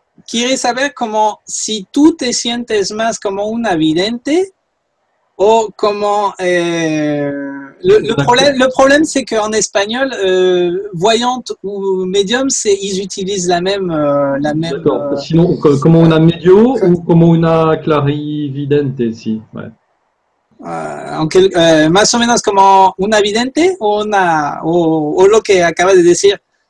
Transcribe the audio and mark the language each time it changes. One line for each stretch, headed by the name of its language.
Spanish: Quiere saber como si tú te sientes más como una vidente o como...
French: Le problème, c'est qu'en espagnol, voyante ou médium, ils utilisent la même... D'accord. Sinon,
Spanish: como una medio
French: ou
Spanish: como una clarividente, sí.
French: Ouais.
Spanish: Más o menos como una vidente o lo que acabas de decir.